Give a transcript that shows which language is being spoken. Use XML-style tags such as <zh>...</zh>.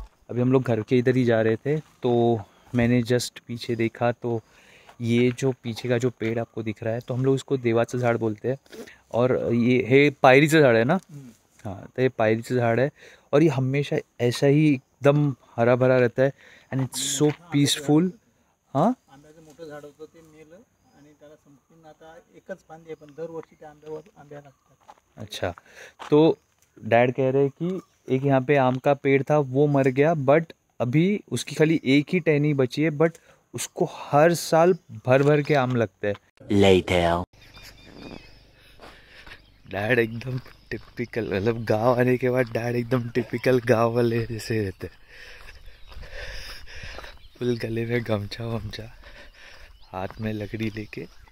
<hi>अभी हम लोग घर के इधर ही जा रहे थे तो मैंने जस्ट पीछे देखा, तो ये जो पीछे का जो पेड़ आपको दिख रहा है, तो हम लोग इसको</hi> <mr>देवाचा झाड़</mr> <hi>बोलते हैं। और ये है</hi> <mr>पायरीचं झाड</mr> <hi>है ना। हाँ तो ये पायरीचं झाड है और ये हमेशा ऐसा ही एकदम हरा भरा रहता है</hi> <en>and it's</en> <mr>आणि</mr> <en>so</en> <mr>मोठं आंब्याचं झाड</mr> <en>Peaceful.</en> <mr>होतं ते,</mr> <hi>हाँ</hi> <mr>आंब्याचं मोठं झाड होतं ते नेलं आणि त्याला संपूर्ण आता एकच फांदी आहे, पण दरवर्षी त्या आंब्यावर आंब्या लागतात.</mr> <hi>अच्छा, तो डैड कह रहे कि एक यहाँ पे आम का पेड़ था वो मर गया, बट अभी उसकी खाली एक ही टहनी बची है, बट उसको हर साल भर भर के आम लगते हैं।</hi> <en>late</en> <hi>डैड एकदम टिपिकल, मतलब गांव आने के बाद डैड एकदम टिपिकल गांव वाले जैसे रहते हैं, फुल गले में गमछा वमछा, हाथ में लकड़ी लेके।</hi>